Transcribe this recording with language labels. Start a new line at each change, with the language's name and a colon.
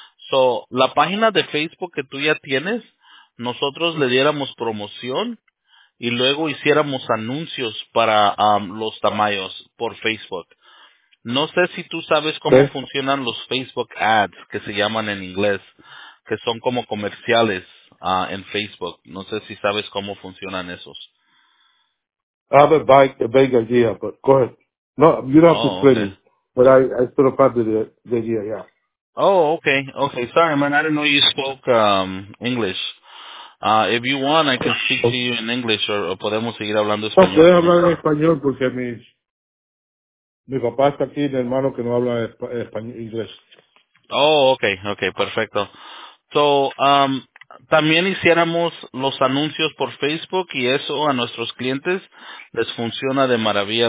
Spanish: So, la página de Facebook que tú ya tienes, nosotros le diéramos promoción y luego hiciéramos anuncios para los tamayos por Facebook. No sé si tú sabes cómo ¿Sí? funcionan los Facebook ads, que se llaman en inglés, que son como comerciales en Facebook. No sé si sabes cómo funcionan esos.
English: I have a vague idea, but go ahead. No, you don't have to explain it, but I still have the idea, yeah. Oh, okay. Okay, sorry, man. I didn't know you spoke English. If you want, I can speak to you in English, or
Spanish: podemos seguir hablando español. Puedo hablar en español porque mi papá está aquí, mi hermano que no habla español, inglés.
English: Oh, okay. Okay, perfecto.
Spanish: So, también hiciéramos los anuncios por Facebook y eso a nuestros clientes les funciona de maravilla.